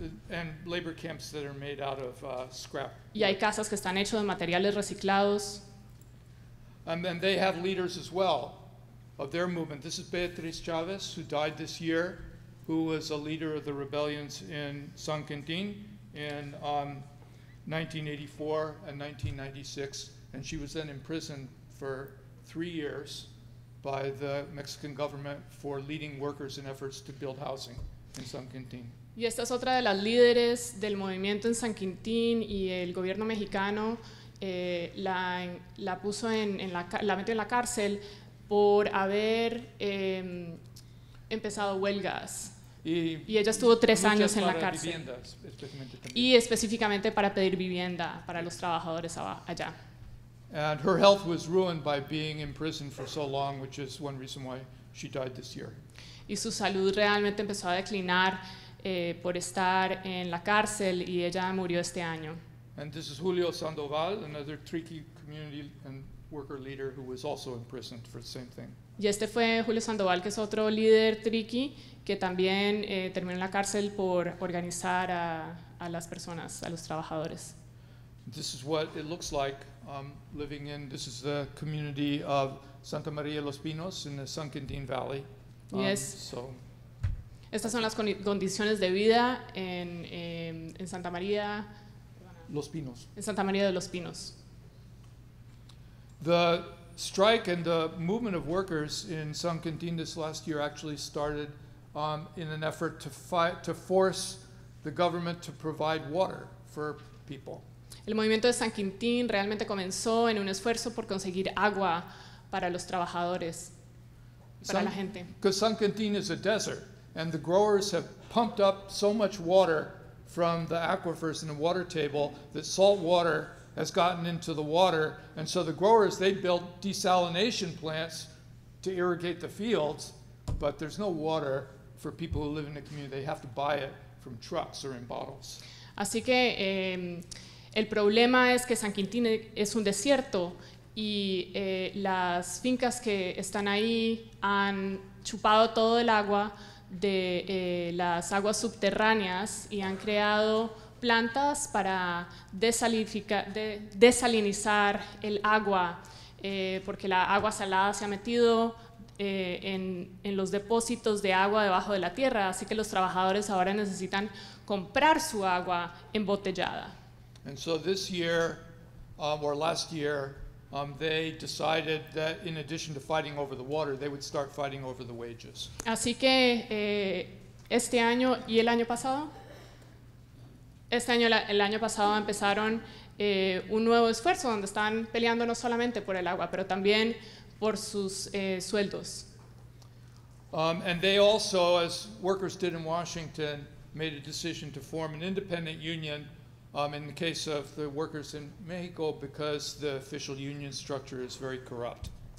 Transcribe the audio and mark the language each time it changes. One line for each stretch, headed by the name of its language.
English: And labor camps that are made out of scrap.
Spanish: Y hay casas que están hechas de materiales reciclados.
English: And then they have leaders as well of their movement. This is Beatriz Chavez, who died this year, who was a leader of the rebellions in San Quintín in 1984 and 1996. And she was then imprisoned for 3 years by the Mexican government for leading workers in efforts to build housing in San Quintín.
Spanish: Y esta es otra de las líderes del movimiento en San Quintín y el gobierno mexicano la puso en la metió en la cárcel por haber empezado huelgas. Y ella estuvo 3 años en la cárcel. Vivienda, y específicamente para pedir vivienda para los trabajadores allá.
English: And her health was ruined by being in prison for so long, which is one reason why she died this year.
Spanish: Y su salud realmente empezó a declinar por estar en la cárcel y ella murió este año.
English: And this is Julio Sandoval, another tricky community and worker leader who was also imprisoned for the same thing.
Spanish: Y este fue Julio Sandoval, que es otro líder tricky que también terminó en la cárcel por organizar a las personas, a los trabajadores.
English: This is what it looks like living in, this is the community of Santa María Los Pinos in the San Quintín Valley. Yes. So.
Spanish: Estas son las condiciones de vida en Santa María. Los Pinos. En Santa María de Los Pinos.
English: The strike and the movement of workers in San Quintín this last year actually started in an effort to force the government to provide water for people.
Spanish: El movimiento de San Quintín realmente comenzó en un esfuerzo por conseguir agua para los trabajadores, para la gente.
English: Because San Quintín is a desert, and the growers have pumped up so much water from the aquifers and the water table that salt water has gotten into the water. And so the growers, they built desalination plants to irrigate the fields, but there's no water for people who live in the community. They have to buy it from trucks or in bottles.
Spanish: Así que el problema es que San Quintín es un desierto y las fincas que están ahí han chupado todo el agua de las aguas subterráneas y han creado plantas para desalinizar el agua porque la agua salada se ha metido en los depósitos de agua debajo de la tierra, así que los trabajadores ahora necesitan comprar su agua embotellada.
English: And so this year, or last year, they decided that in addition to fighting over the water, they would start fighting over the wages.
Spanish: Así que este año y el año pasado, el año pasado empezaron un nuevo esfuerzo donde están peleando no solamente por el agua, pero también por sus sueldos.
English: And they also, as workers did in Washington, made a decision to form an independent union. In the case of the workers in Mexico, because the official union structure is very corrupt.